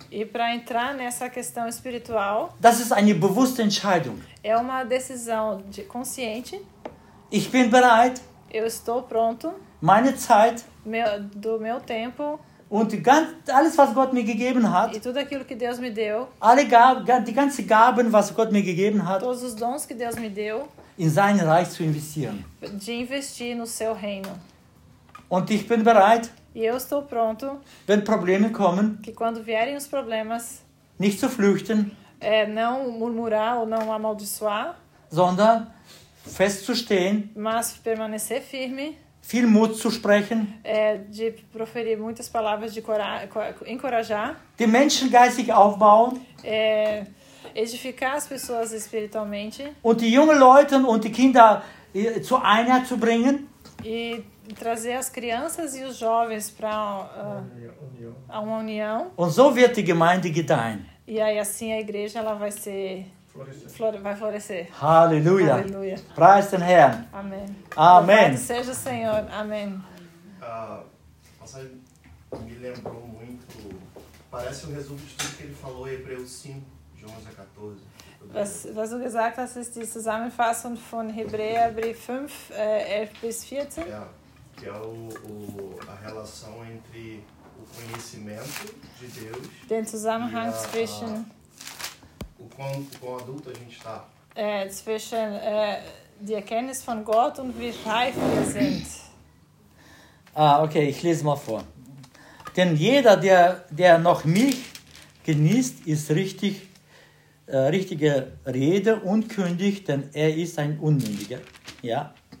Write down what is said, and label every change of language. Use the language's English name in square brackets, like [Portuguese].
[Portuguese] E para entrar nessa questão espiritual. [German] Das ist eine bewusste Entscheidung. [Portuguese] É uma decisão consciente. [German] Ich bin bereit. [Portuguese] Eu estou pronto. [German] Meine Zeit. [Portuguese] Do meu tempo. [German] Und alles, was Gott mir gegeben hat, [Portuguese] e tudo aquilo que Deus me deu, [German] die ganzen Gaben, was Gott mir gegeben hat, [Portuguese] todos os dons que Deus me deu, [German] in sein Reich zu investieren. [Portuguese] De investir no seu reino. [German] Und ich bin bereit, [Portuguese] E eu estou pronto. [German] Wenn Probleme kommen, [Portuguese] que quando vierem os problemas, [German] nicht zu flüchten, [Portuguese] não murmurar ou não amaldiçoar, [German] sondern festzustehen, [Portuguese] mas permanecer firme, [German] viel Mut zu sprechen, [Portuguese] de proferir muitas palavras de encorajar, [German] den Menschen geistig aufbauen, [Portuguese] edificar as pessoas espiritualmente, [German] und die jungen Leute und die Kinder zu Einheit zu bringen, [Portuguese] e trazer as crianças e os jovens para a uma união. [German] Und so wird die Gemeinde gedeihen. [Portuguese] E aí assim a igreja ela vai ser vai florescer. Aleluia. [English] Praise the Lord. Amen. [Portuguese] Amen. Seja o Senhor. Amen. Passagem me lembrou muito, parece o resumo de tudo que ele falou em Hebreus 5, de 11 a 14. [German] Was du gesagt hast, ist die Zusammenfassung von Hebräerbrief 5, 11 bis 14. [Portuguese] Ja, que é a relação entre o conhecimento de Deus. [German] Den Zusammenhang zwischen. [Portuguese] O quão adulto a gente está. [German] Zwischen die Erkenntnis von Gott und wie reif wir sind. Ah, okay, ich lese mal vor. Denn jeder, der noch Milch genießt, ist richtig. Richtige Rede unkündig, denn er ist ein Unmündiger. Ja.